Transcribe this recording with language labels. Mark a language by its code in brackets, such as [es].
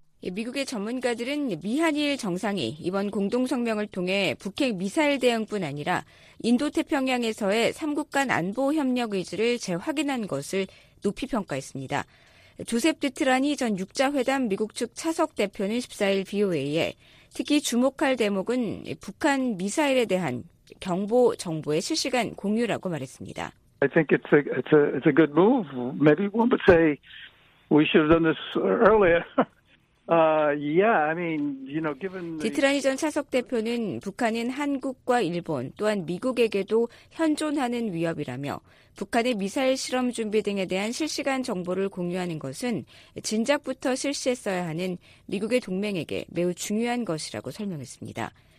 [ko] 미국의 전문가들은 미한일 정상이 이번 공동성명을 통해 북핵 미사일 대응뿐 아니라 인도태평양에서의 3국 간 안보 협력 의지를 재확인한 것을 높이 평가했습니다. 조셉 드트라니 전 6자회담 미국 측 차석 대표는 14일 VOA에 특히 주목할 대목은 북한 미사일에 대한 경보 정보의 실시간 공유라고 말했습니다. [en] I think it's a good move. Maybe one would say we should have done this earlier. Given [ko] 디트라니 전 차석 대표는 북한은 한국과 일본 또한 미국에게도 현존하는 위협이라며 북한의 미사일 실험 준비 등에 대한 실시간 정보를 공유하는 것은 진작부터 실시했어야 하는 미국의 동맹에게 매우 중요한 것이라고 설명했습니다.